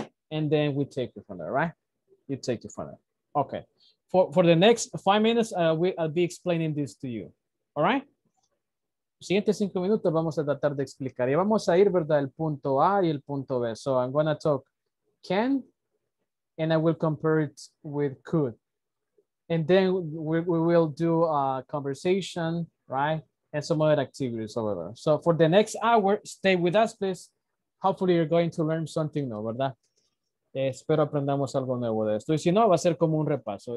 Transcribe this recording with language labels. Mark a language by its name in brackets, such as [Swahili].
[English] And then we take it from there, right? You take it from there. Okay. For the next 5 minutes, I'll be explaining this to you. All right? [Spanish] Siguiente 5 minutos vamos a tratar de explicar. Y vamos a ir, ¿verdad? El punto A y el punto B. [English] So I'm going to talk can and I will compare it with could. And then we will do a conversation, right? And some other activities over there. So for the next hour, stay with us, please. Hopefully you're going to learn something new, ¿verdad? [Spanish] Espero aprendamos algo nuevo de esto. Y si no, va a ser como un repaso.